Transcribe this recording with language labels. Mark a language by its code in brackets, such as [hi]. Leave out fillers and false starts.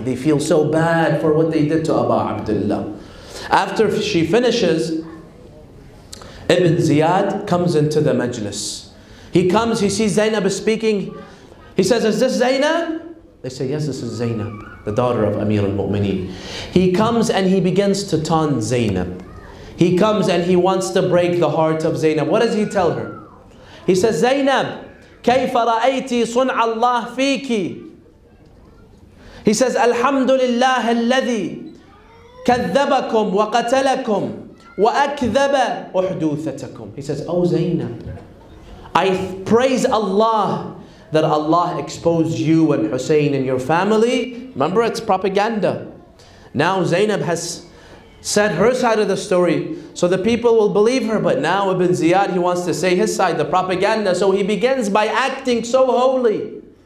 [en] They feel so bad for what they did to Aba Abdullah. After she finishes, Ibn Ziyad comes into the majlis. He comes, he sees Zainab speaking. He says, is this Zainab? They say, yes, this is Zainab, the daughter of Amir al-Mu'mineen. He comes and he begins to taunt Zainab. He comes and he wants to break the heart of Zainab. What does he tell her? He says, [ar] Zainab, كيف رأيت صنع الله فيك? [en] He says, [ar] الحمد لله الذي كذبكم وقتلكم وأكذب أحدوثتكم. [en] He says, oh Zainab, I praise Allah that Allah exposed you and Hussein and your family. Remember, it's propaganda. Now Zainab has said her side of the story, so the people will believe her. But now Ibn Ziyad, he wants to say his side, the propaganda. So he begins by acting so holy.